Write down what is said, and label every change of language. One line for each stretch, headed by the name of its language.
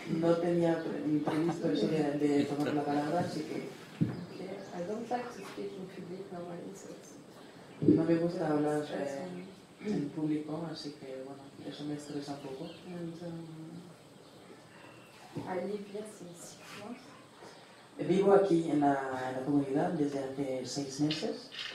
Spanish: No tenía previsto de tomar la palabra, así que.
English: Okay. I don't like to speak in public normally.
Spanish: No me gusta hablar en público, así que bueno, eso me estresa un poco.
English: And, I live here since 6 months.
Spanish: Vivo aquí en la comunidad desde hace 6 meses.